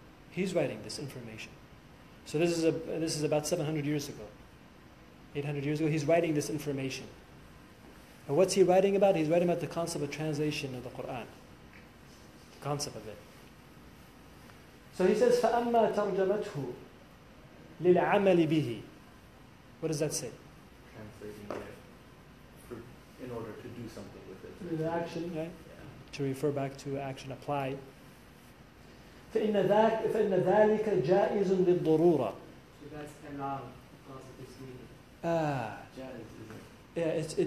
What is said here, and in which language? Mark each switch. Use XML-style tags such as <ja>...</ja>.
<en>He's writing this information. So this is about 700 years ago. 800 years ago, he's writing this information. And what's he writing about? He's writing about the concept of translation of the Qur'an. The concept of it. So he says,</en> <ar>فَأَمَّا تَرْجَمَتْهُ لِلْعَمَلِ بِهِ.</ar> <en>What does that say? Translating it in order to do something with it. The action, right? Yeah. To refer back to action, apply.</en> <ar>فَإِنَّ ذَلِكَ جَائِزٌ لِلْضُرُورَ.</ar> <en>So that's allowed because of its meaning.</en>